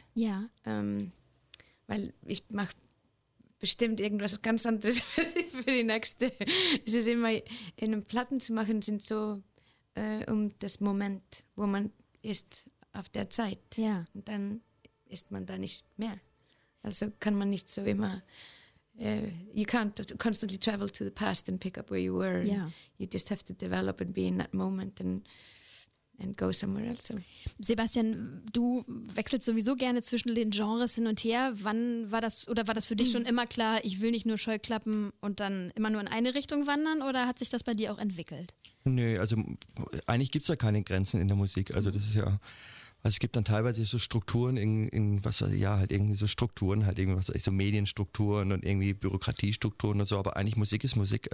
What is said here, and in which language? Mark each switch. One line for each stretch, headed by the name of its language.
German: Ja. Weil ich mache bestimmt irgendwas ganz anderes für die nächste. Es ist immer, in einem Platten zu machen, sind so um das Moment, wo man ist auf der Zeit. Ja. Und dann ist man da nicht mehr. Also kann man nicht so immer,
English: you can't constantly travel to the past and pick up where you were.
German: Ja.
English: You just have to develop and be in that moment and go somewhere else.
German: Sebastian, du wechselst sowieso gerne zwischen den Genres hin und her. Wann war das, oder war das für dich schon immer klar, ich will nicht nur Scheuklappen und dann immer nur in eine Richtung wandern, oder hat sich das bei dir auch entwickelt? Nö, also eigentlich gibt es ja keine Grenzen in der Musik. Also das ist ja, also es gibt dann teilweise so Strukturen in was weiß ich, ja, halt irgendwie so Strukturen, halt irgendwie was weiß ich, so Medienstrukturen und irgendwie Bürokratiestrukturen und so, aber eigentlich Musik ist Musik.